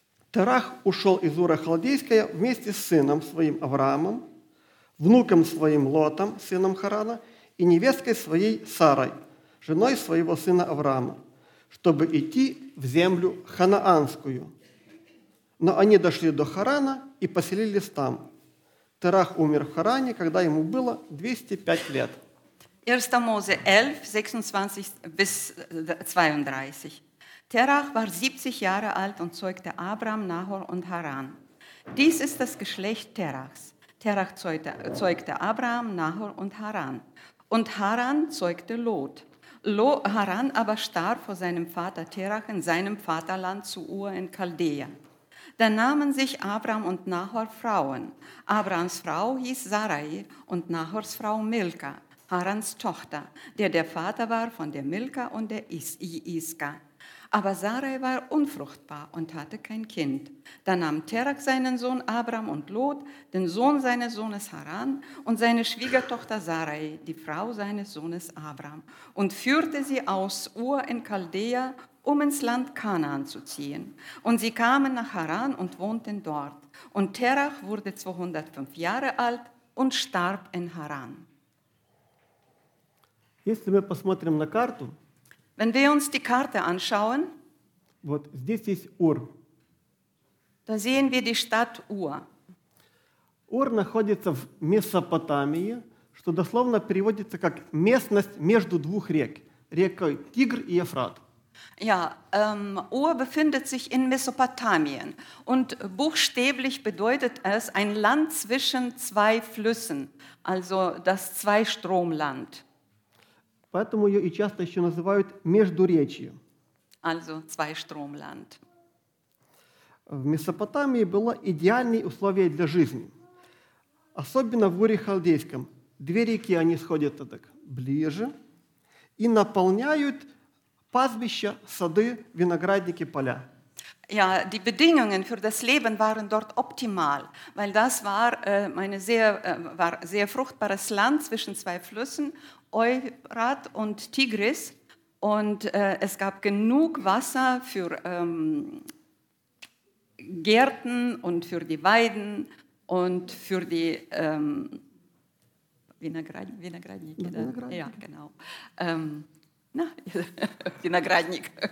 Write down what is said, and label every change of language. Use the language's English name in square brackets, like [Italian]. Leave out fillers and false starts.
[Russian] Терах ушел из Ура Халдейская вместе с сыном своим Авраамом, внуком своим Лотом, сыном Харана, и невесткой своей Сарой, женой своего сына Авраама, чтобы идти в землю Ханаанскую. Но они дошли до Харана и поселились там. Терах умер в Харане, когда ему было 205 лет. [German] 1. Mose 11, 26 bis 32. Terach war 70 Jahre alt und zeugte Abraham, Nahor und Haran. Dies ist das Geschlecht Terachs. Terach zeugte Abraham, Nahor und Haran. Und Haran zeugte Lot. Haran aber starb vor seinem Vater Terach in seinem Vaterland zu Ur in Chaldea. Da nahmen sich Abraham und Nahor Frauen. Abrahams Frau hieß Sarai und Nahors Frau Milka, Harans Tochter, der Vater war von der Milka und der Iska. Aber Sarai war unfruchtbar und hatte kein Kind. Da nahm Terach seinen Sohn Abraham und Lot, den Sohn seines Sohnes Haran und seine Schwiegertochter Sarai, die Frau seines Sohnes Abraham, und führte sie aus Ur in Chaldea, um ins Land Kanaan zu ziehen. Und sie kamen nach Haran und wohnten dort. Und Terach wurde 205 Jahre alt und starb in Haran. [Russian] Если мы посмотрим на карту, [German] wenn wir uns die Karte anschauen, [Russian] вот здесь есть Ур. [German] Da sehen wir die Stadt Ur. [Russian] Ур находится в Месопотамии, что дословно переводится как местность между двух рек, рекой Тигр и Евфрат. [German] Ja, Ur befindet sich in Mesopotamien und buchstäblich bedeutet es ein Land zwischen zwei Flüssen, also das Zweistromland. [Russian] Поэтому ее и часто еще называют Междуречью. [German] Also Zweistromland. [Russian] В Месопотамии было идеальные условия для жизни. Особенно в Уре Халдейском. Две реки, они сходят так ближе и наполняют пастбища, сады, виноградники, поля. [German] Ja, die Bedingungen für das Leben waren dort optimal, weil das war sehr fruchtbares Land zwischen zwei Flüssen, Euphrat und Tigris, und es gab genug Wasser für Gärten und für die Weiden und für die Виноградник.